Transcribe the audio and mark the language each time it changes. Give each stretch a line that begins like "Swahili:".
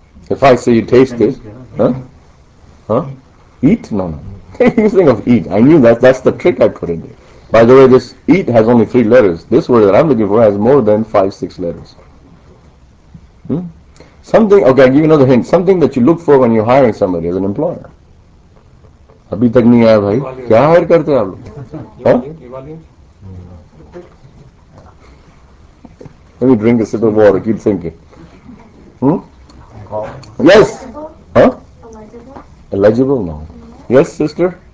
English: If I say you taste this, Eat? No. You think of eat. I knew that. That's the trick I put in there. By the way, this eat has only 3 letters. This word that I'm looking for has more than 5-6 letters. Something, okay, I'll give you another hint. Something that you look for when you're hiring somebody as an employer.
Urdu: ابھی تک نہیں آیا بھائی. کیا hire کرتے آپ لوگ?
English: Let me drink a sip of water, keep thinking. Yes. Eligible? No. Yes, sister?